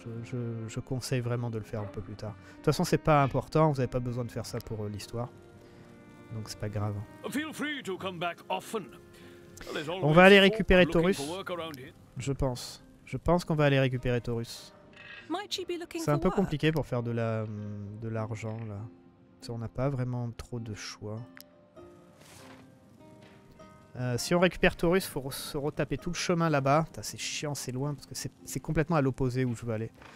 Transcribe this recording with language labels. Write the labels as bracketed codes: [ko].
[fr] Je conseille vraiment de le faire un peu plus tard. De toute façon, c'est pas important, vous avez pas besoin de faire ça pour l'histoire. Donc c'est pas grave. [en] Feel free to come back often. [fr] On va aller récupérer Taurus. Je pense qu'on va aller récupérer Taurus. C'est un peu compliqué pour faire de l'argent là. On n'a pas vraiment trop de choix. Si on récupère Taurus, il faut se retaper tout le chemin là-bas. C'est chiant, c'est loin, parce que c'est complètement à l'opposé où je veux aller.